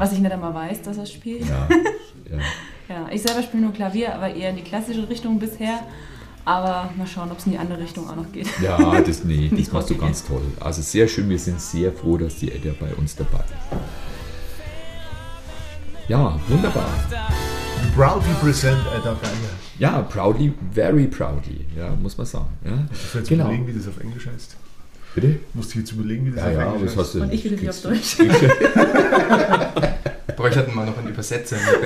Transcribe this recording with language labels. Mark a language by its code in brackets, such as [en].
[de] Was ich nicht einmal weiß, dass er spielt. Ja. Ja. Ja, ich selber spiele nur Klavier, aber eher in die klassische Richtung bisher. Aber mal schauen, ob es in die andere Richtung auch noch geht. Ja, das machst du ganz toll. Also sehr schön, wir sind sehr froh, dass die Edda bei uns dabei ist. Ja, wunderbar. [en] Proudly present Edda Ferger. [de] Ja, proudly, very proudly, ja, muss man sagen. Ja. Musst du jetzt überlegen, wie das auf Englisch heißt? Bitte? Musst du jetzt überlegen, wie das auf Englisch heißt? Und ich wieder auf Deutsch. Bräuchten wir noch einen Übersetzer.